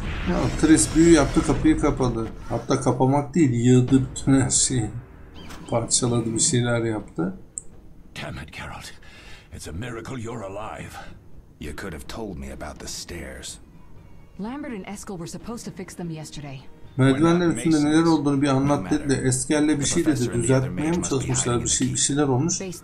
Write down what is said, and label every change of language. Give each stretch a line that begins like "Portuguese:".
Turkish: Ya Tris büyü yaptı, kapıyı kapadı. Hatta kapamak değil, yığdı bütün her şeyi. Parçaladı, bir şeyler yaptı.
English: Damn it, Geralt. It's a miracle you're alive. You could have told me about the stairs. Lambert and Eskel were supposed to fix them yesterday.
Turkish: Merdivenler üstünde neler olduğunu bir anlat dedi de Eskel'le bir şey dedi, düzeltmeye mi çalışmışlar, bir şeyler olmuş.